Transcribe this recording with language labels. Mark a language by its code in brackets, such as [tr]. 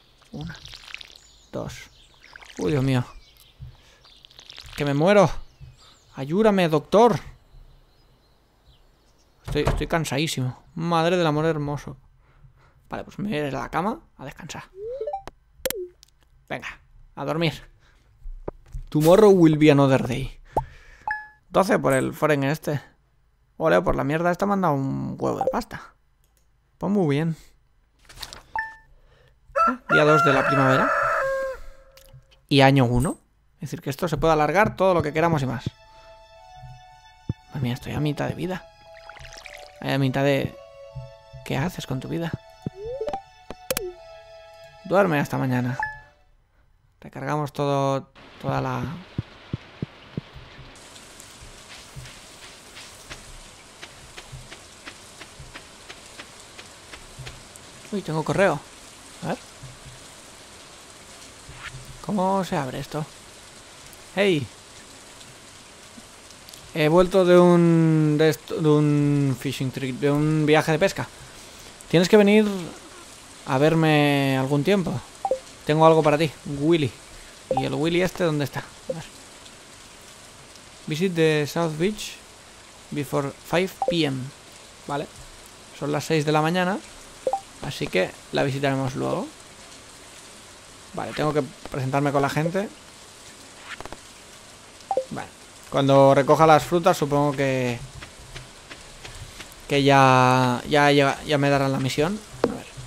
[es] 1, 2. Uy, Dios mío. Que me muero. Ayúdame, doctor. Estoy cansadísimo. Madre del amor hermoso. Vale, pues me voy a ir a la cama a descansar. Venga, a dormir. [en] Tomorrow will be another day. [es] 12 por el foreign este. Ole, por la mierda, esta me han dado un huevo de pasta. Pues muy bien. Día 2 de la primavera. Y año 1. Es decir, que esto se puede alargar todo lo que queramos y más. Pues mira, estoy a mitad de vida. A mitad de... ¿Qué haces con tu vida? Duerme hasta mañana. Recargamos todo... Toda la... Uy, tengo correo. A ver. ¿Cómo se abre esto? ¡Hey! He vuelto de un... De un [en] fishing trip. [es] De un viaje de pesca. Tienes que venir a verme algún tiempo. Tengo algo para ti. Willy. ¿Y el Willy este dónde está? A ver. [en] Visit the South Beach before 5 p.m. [es] Vale. Son las 6 de la mañana. Así que la visitaremos luego. Vale, tengo que presentarme con la gente. Vale. Cuando recoja las frutas, supongo que... Ya me darán la misión. A ver.